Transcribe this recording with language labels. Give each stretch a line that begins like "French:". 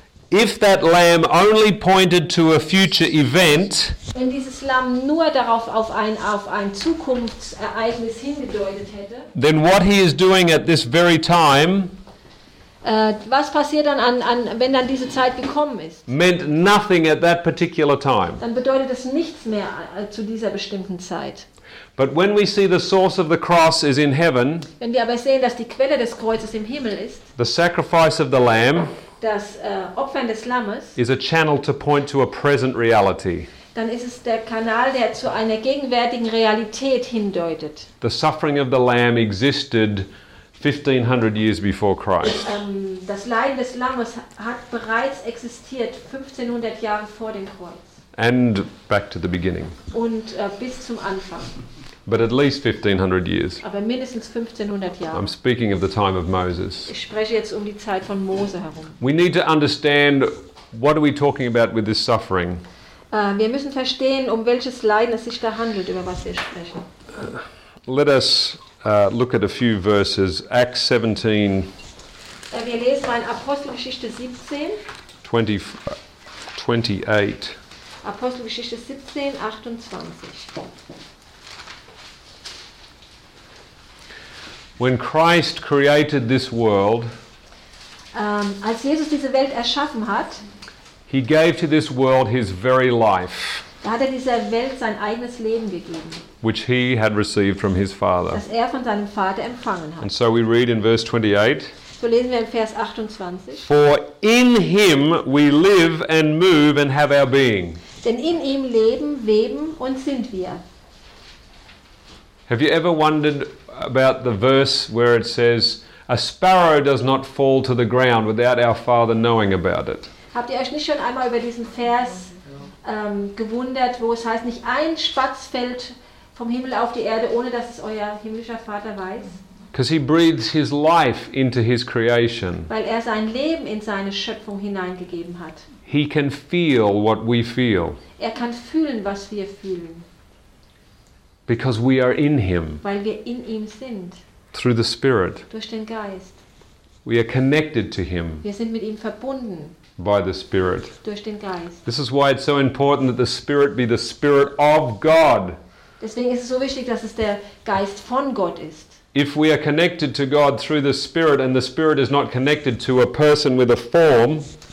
English: if that lamb only pointed to a future event,
German: wenn dieses Lamm nur darauf auf ein Zukunftsereignis hingedeutet hätte,
English: then what he is doing at this very time,
German: was passiert dann an wenn dann diese Zeit gekommen ist,
English: meant nothing at that particular time,
German: dann bedeutet es nichts mehr zu dieser bestimmten Zeit.
English: But when we see the source of the cross is in heaven,
German: wenn wir aber sehen, dass die Quelle des Kreuzes im Himmel ist,
English: the sacrifice of the lamb,
German: das Opfern des Lammes,
English: is a channel to point to a present reality,
German: dann ist es der Kanal, der zu einer gegenwärtigen Realität hindeutet.
English: The suffering of the lamb existed 1500 years before Christ.
German: Das Leiden des Lammes hat bereits existiert 1500 Jahre vor dem Kreuz.
English: And back to the beginning.
German: Und bis zum Anfang.
English: But at least 1500 years.
German: Aber mindestens 1500 Jahre.
English: I'm speaking of the time of Moses.
German: Ich spreche jetzt um die Zeit von Mose herum.
English: We need to understand, what are we talking about with this suffering?
German: Wir müssen verstehen, um welches Leiden es sich da handelt, über was wir sprechen.
English: Let us look at a few verses. Acts 17.
German: Wir lesen mal in Apostelgeschichte 17.
English: 28.
German: Apostelgeschichte 17, 28.
English: When Christ created this world,
German: als Jesus diese Welt erschaffen hat,
English: he gave to this world his very life,
German: da hat er dieser Welt sein eigenes Leben gegeben,
English: which he had received from his Father,
German: das er von seinem Vater empfangen hat.
English: And so we read in verse 28,
German: so lesen wir in Vers 28,
English: for in him we live and move and have our being.
German: Denn in ihm leben, weben und sind wir.
English: Have you ever wondered about the verse where it says, a sparrow does not fall to the ground without our Father knowing about it?
German: Habt ihr euch nicht schon einmal über diesen Vers gewundert, wo es heißt, nicht ein Spatz fällt vom Himmel auf die Erde, ohne dass es euer himmlischer Vater weiß?
English: Because he breathes his life into his creation.
German: Weil er sein Leben in seine Schöpfung hineingegeben hat.
English: He can feel what we feel.
German: Er kann fühlen, was wir fühlen.
English: Because we are in him.
German: Weil wir in ihm sind.
English: Through the Spirit.
German: Durch den Geist.
English: We are connected to him.
German: Wir sind mit ihm verbunden.
English: By the Spirit.
German: Durch den Geist.
English: This is why it's so important that the Spirit be the Spirit of God.
German: Deswegen ist es so wichtig, dass es der Geist von Gott ist.
English: If we are connected to God through the Spirit and the Spirit is not connected to a person with a form,